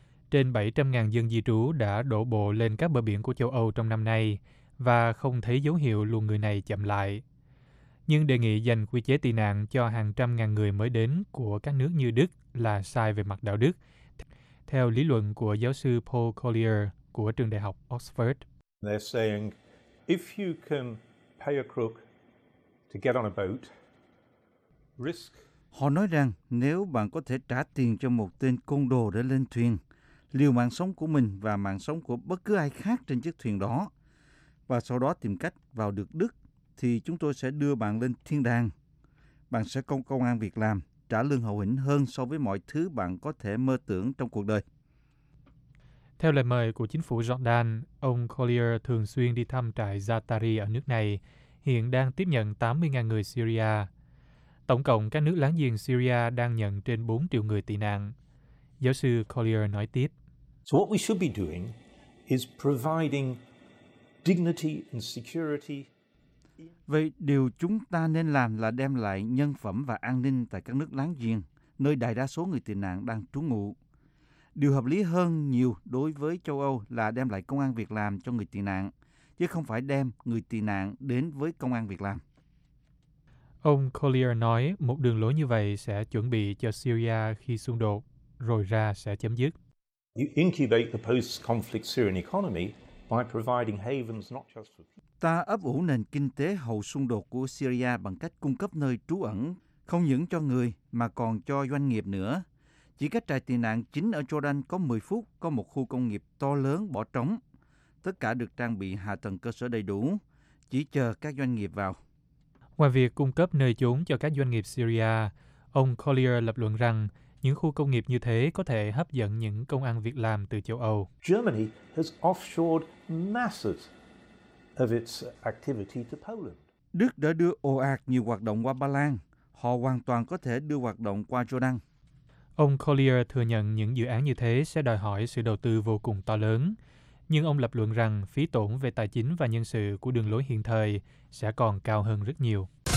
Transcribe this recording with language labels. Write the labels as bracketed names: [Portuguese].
[Vietnamese] Trên 700.000 dân di trú đã đổ bộ lên các bờ biển của châu Âu trong năm nay và không thấy dấu hiệu luồng người này chậm lại. Nhưng đề nghị dành quy chế tị nạn cho hàng trăm ngàn người mới đến của các nước như Đức là sai về mặt đạo đức, theo lý luận của giáo sư Paul Collier của trường đại học Oxford. [English] They're saying if you can pay a crook to get on a boat, risk. [Vietnamese] Họ nói rằng nếu bạn có thể trả tiền cho một tên côn đồ để lên thuyền, liều mạng sống của mình và mạng sống của bất cứ ai khác trên chiếc thuyền đó, và sau đó tìm cách vào được Đức, thì chúng tôi sẽ đưa bạn lên thiên đàng. Bạn sẽ có công ăn việc làm, trả lương hậu hĩnh hơn so với mọi thứ bạn có thể mơ tưởng trong cuộc đời. Theo lời mời của chính phủ Jordan, ông Collier thường xuyên đi thăm trại Zaatari ở nước này, hiện đang tiếp nhận 80.000 người Syria. Tổng cộng các nước láng giềng Syria đang nhận trên 4 triệu người tị nạn. Giáo sư Collier nói tiếp. [English] So what we should be doing is providing dignity and security. [Vietnamese] Vậy điều chúng ta nên làm là đem lại nhân phẩm và an ninh tại các nước láng giềng, nơi đại đa số người tị nạn đang trú ngụ. Điều hợp lý hơn nhiều đối với châu Âu là đem lại công ăn việc làm cho người tị nạn, chứ không phải đem người tị nạn đến với công ăn việc làm. Ông Collier nói một đường lối như vậy sẽ chuẩn bị cho Syria khi xung đột rồi ra sẽ chấm dứt. [English] You incubate the post-conflict Syrian economy by providing havens not just for. [Vietnamese] Ta ấp ủ nền kinh tế hậu xung đột của Syria bằng cách cung cấp nơi trú ẩn, không những cho người mà còn cho doanh nghiệp nữa. Chỉ cách trại tị nạn chính ở Jordan có 10 phút, có một khu công nghiệp to lớn bỏ trống. Tất cả được trang bị hạ tầng cơ sở đầy đủ, chỉ chờ các doanh nghiệp vào. Ngoài việc cung cấp nơi trốn cho các doanh nghiệp Syria, ông Collier lập luận rằng những khu công nghiệp như thế có thể hấp dẫn những công ăn việc làm từ châu Âu. [English] Germany has offshored masses of its activity to Poland. [Vietnamese] Đức đã đưa ồ ạt nhiều hoạt động qua Ba Lan. Họ hoàn toàn có thể đưa hoạt động qua Jordan. Ông Collier thừa nhận những dự án như thế sẽ đòi hỏi sự đầu tư vô cùng to lớn. Nhưng ông lập luận rằng phí tổn về tài chính và nhân sự của đường lối hiện thời sẽ còn cao hơn rất nhiều.